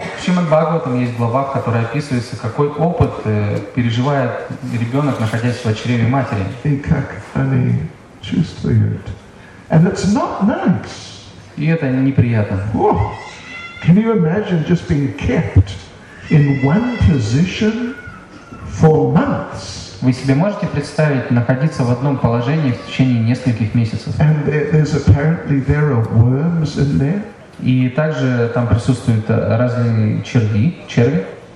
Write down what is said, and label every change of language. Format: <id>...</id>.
<ru>В Шримад Бхагаватам есть глава, в которой описывается, какой опыт переживает ребенок, находясь в чреве матери. И как они чувствуют.</ru> <en>And it's not nice.</en> <ru>И это неприятно.</ru> <en>Oh, can you imagine just being kept in one position for months?</en> <ru>Вы себе можете представить находиться в одном положении в течение нескольких месяцев?</ru> <en>And there's apparently there are worms in there.</en> <ru>И также там присутствуют разные черви, черви.</ru>